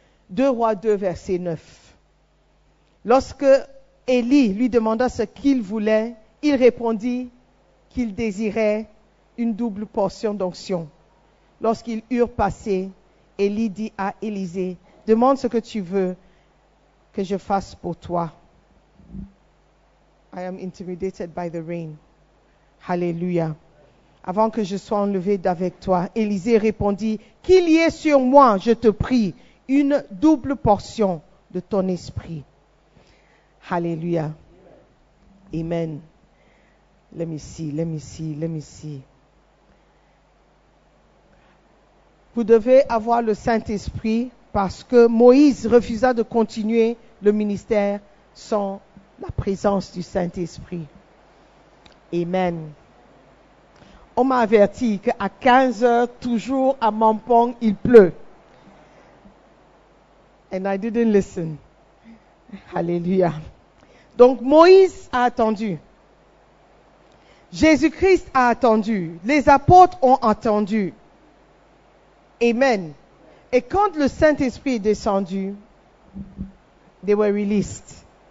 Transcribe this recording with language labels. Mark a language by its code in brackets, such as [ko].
[fr] 2 Rois 2, verset 9. Lorsque Élie lui demanda ce qu'il voulait, il répondit qu'il désirait une double portion d'onction. Lorsqu'ils eurent passé, Élie dit à Élisée, demande ce que tu veux que je fasse pour toi. [en] I am intimidated by the rain. Hallelujah. [fr] Avant que je sois enlevé d'avec toi, Élisée répondit, qu'il y ait sur moi, je te prie, une double portion de ton esprit. Hallelujah. Amen. [en] Let me see. [fr] Vous devez avoir le Saint-Esprit parce que Moïse refusa de continuer le ministère sans la présence du Saint-Esprit. Amen. On m'a averti qu'à 15 heures, toujours à Mampong, il pleut. [en] And I didn't listen. [fr] Alléluia. Donc Moïse a attendu. Jésus-Christ a attendu. Les apôtres ont attendu. Amen. Et quand le Saint-Esprit est descendu, [en] they were released.